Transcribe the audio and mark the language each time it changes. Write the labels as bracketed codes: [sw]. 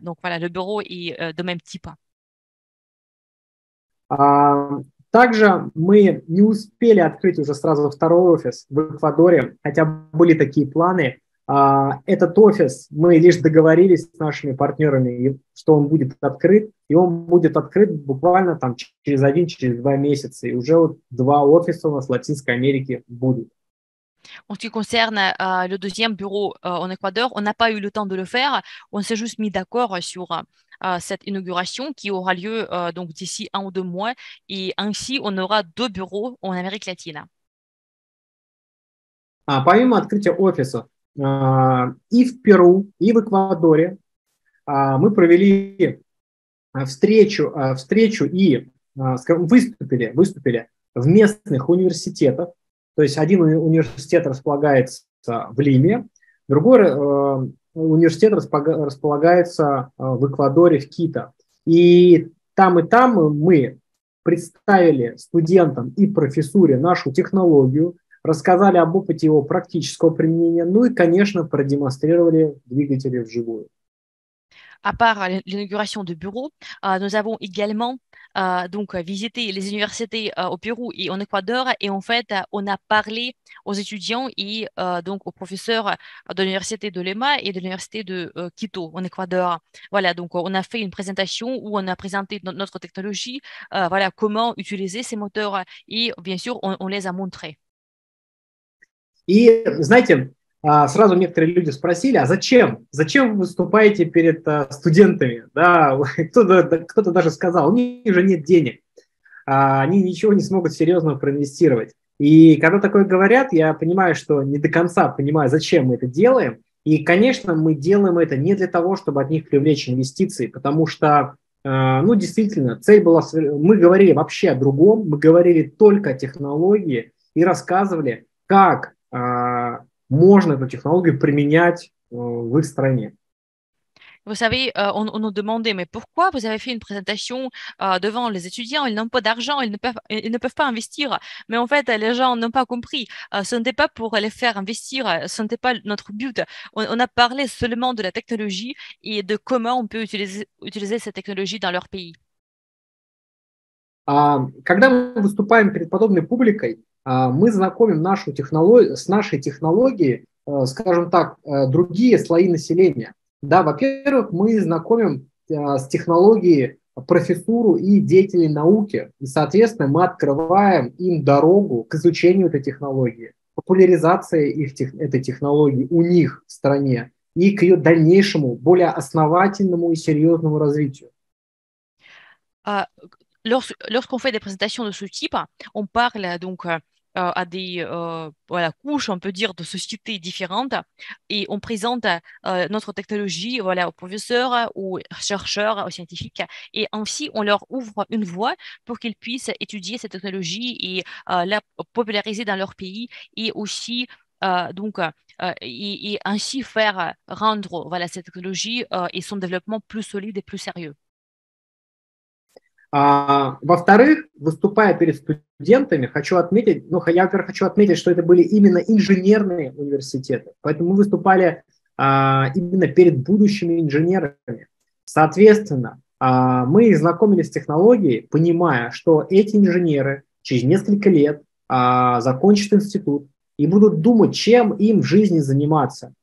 [fr] Donc voilà, le bureau est de même type. [ru] Также мы не успели открыть уже сразу второй офис в Эквадоре, хотя были такие планы. Этот офис, мы лишь договорились с нашими партнерами, что он будет открыт, и он будет открыт буквально там через 1-2 месяца, и уже вот 2 офиса у нас в Латинской Америке будут. [fr] En ce qui concerne le deuxième bureau en Équateur, on n'a pas eu le temps de le faire. On s'est juste mis d'accord sur cette inauguration qui aura lieu donc d'ici un ou deux mois. Et ainsi, on aura deux bureaux en Amérique latine. [ru] А, помимо открытия офиса и в Перу, и в Эквадоре, мы провели встречу и выступили в местных университетах. То есть один университет располагается в Лиме, другой университет располагается в Эквадоре, в Кито. И там мы представили студентам и профессуре нашу технологию, рассказали об опыте его практического применения, ну и, конечно, продемонстрировали двигатели вживую. [fr] À part l'inauguration de bureaux, nous avons également donc visité les universités au Pérou et en Équateur. Et en fait, on a parlé aux étudiants et donc aux professeurs de l'université de Lima et de l'université de Quito en Équateur. Voilà, donc on a fait une présentation où on a présenté notre technologie, voilà comment utiliser ces moteurs et bien sûr, on les a montrés. [ru] И знаете, сразу некоторые люди спросили, а зачем? Зачем вы выступаете перед студентами? Да, кто-то даже сказал, у них же нет денег. Они ничего не смогут серьезно проинвестировать. И когда такое говорят, я понимаю, что не до конца понимаю, зачем мы это делаем. И, конечно, мы делаем это не для того, чтобы от них привлечь инвестиции, потому что, ну, действительно, цель была... Мы говорили вообще о другом, мы говорили только о технологии и рассказывали, как можно эту технологию применять в их стране. [fr] Vous savez, on nous demandait, mais pourquoi vous avez fait une présentation devant les étudiants? Ils n'ont pas d'argent, ils ne peuvent pas investir. Mais en fait, les gens n'ont pas compris. Ce n'était pas pour les faire investir, ce n'était pas notre but. On a parlé seulement de la technologie et de comment on peut utiliser cette technologie dans leur pays. [ru] Когда мы выступаем перед подобной публикой, мы знакомим нашу технологию, с нашей технологией, скажем так, другие слои населения. Да, во-первых, мы знакомим с технологией профессуру и деятелей науки, и, соответственно, мы открываем им дорогу к изучению этой технологии, популяризации этой технологии у них в стране и к ее дальнейшему, более основательному и серьезному развитию. [fr] Lorsqu'on fait des présentations de ce type, on parle donc à des voilà, couches, on peut dire, de sociétés différentes et on présente notre technologie voilà, aux professeurs, aux chercheurs, aux scientifiques et ainsi on leur ouvre une voie pour qu'ils puissent étudier cette technologie et la populariser dans leur pays et aussi donc, et ainsi faire rendre voilà, cette technologie et son développement plus solide et plus sérieux. [ru] Во-вторых, выступая перед студентами, хочу отметить, ну, я, во-первых, хочу отметить, что это были именно инженерные университеты, поэтому мы выступали именно перед будущими инженерами. Соответственно, мы знакомились с технологией, понимая, что эти инженеры через несколько лет закончат институт и будут думать, чем им в жизни заниматься.